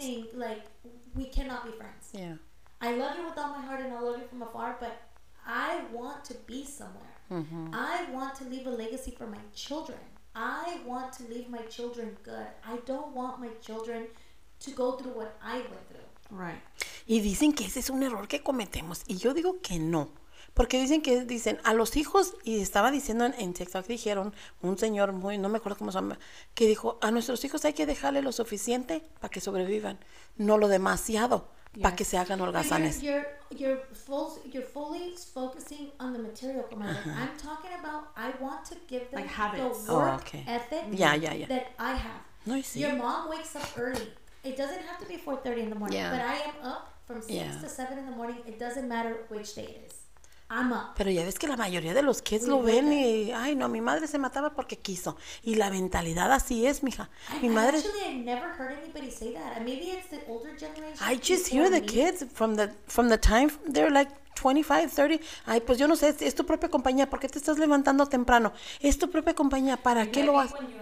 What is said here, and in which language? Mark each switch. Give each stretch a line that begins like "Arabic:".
English: something, like, we cannot be friends. Yeah, I love you with all my heart and I love you from afar, but I want to be somewhere mm-hmm. I want to leave a legacy for my children. I want to leave my children good. I don't want my children to go through what I went through. Right.
Spanish: Y dicen que ese es un error que cometemos, y yo digo que no. Porque dicen que, dicen, a los hijos, y estaba diciendo en TikTok, dijeron, un señor muy, no me acuerdo cómo se llama, que dijo, a nuestros hijos hay que dejarle lo suficiente para que sobrevivan, no lo demasiado, para que se hagan holgazanes.
English: You're fully focusing on the material, comadre. Uh-huh. I'm talking about, I want to give them like habits. The work oh, okay. ethic yeah, yeah, yeah. that I have. No, I see. Your mom wakes up early. It doesn't have to be 4:30 in the morning, yeah. but I am up from 6 yeah. to 7 in the morning. It doesn't matter which day it is. I'm up.
Spanish: Pero ya ves que la mayoría de los kids lo ven y, ay no, mi madre se mataba porque quiso. Y la mentalidad así es, mija. Mi madre.
English: Actually, I've never heard anybody say that. Maybe it's the older generation. I just hear the kids from the time they're like 25, 30.
Spanish: Ay, pues yo no sé, es tu propia compañía, ¿por qué te estás levantando temprano? Es tu propia compañía, ¿para qué lo haces?